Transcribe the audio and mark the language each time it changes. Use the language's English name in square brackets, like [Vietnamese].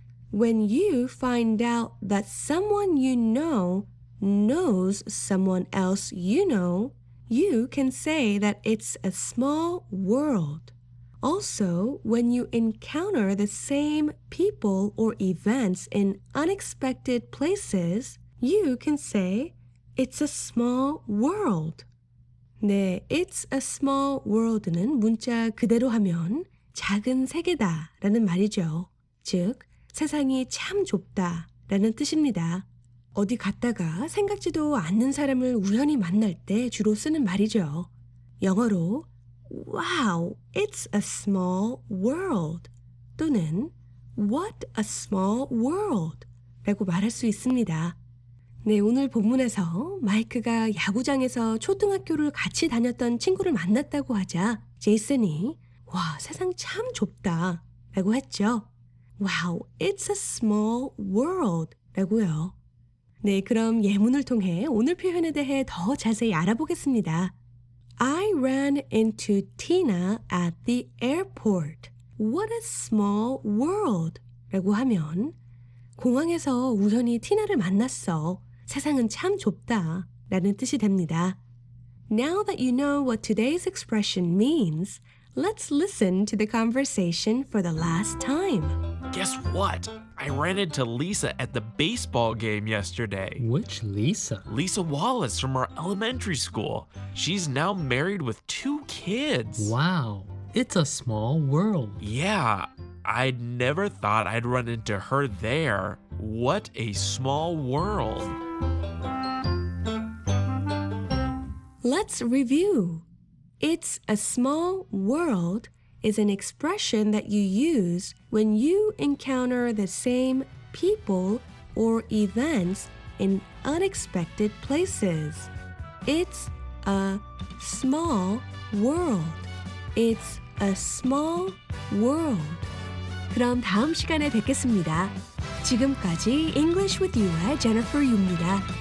[English] When you find out that someone you know knows someone else you know, you can say that it's a small world. Also, when you encounter the same people or events in unexpected places, you can say it's a small world. [Korean] 네, [English] it's a small world [Korean] 는 문자 그대로 하면 작은 세계다 라는 말이죠. 즉, 세상이 참 좁다 라는 뜻입니다. 어디 갔다가 생각지도 않는 사람을 우연히 만날 때 주로 쓰는 말이죠. [English] 영어로 Wow, it's a small world 또는 What a small world [Korean] 라고 말할 수 있습니다. 네, 오늘 본문에서 마이크가 야구장에서 초등학교를 같이 다녔던 친구를 만났다고 하자 제이슨이 와, 세상 참 좁다 라고 했죠. [English] Wow, it's a small world [Korean] 라고요. 네, 그럼 예문을 통해 오늘 표현에 대해 더 자세히 알아보겠습니다. [English] I ran into Tina at the airport. What a small world [Korean] 라고 하면 공항에서 우연히 티나를 만났어. 세상은 참 좁다 라는 뜻이 됩니다. [English] Now that you know what today's expression means, let's listen to the conversation for the last time. Guess what? I ran into Lisa at the baseball game yesterday. Which Lisa? Lisa Wallace from our elementary school. She's now married with two kids. Wow, it's a small world. Yeah, I'd never thought I'd run into her there. What a small world. Let's review. It's a small world is an expression that you use when you encounter the same people or events in unexpected places. It's a small world. It's a small world. [Korean] 그럼 다음 시간에 뵙겠습니다. 지금까지 English with You의 Jennifer Yu입니다.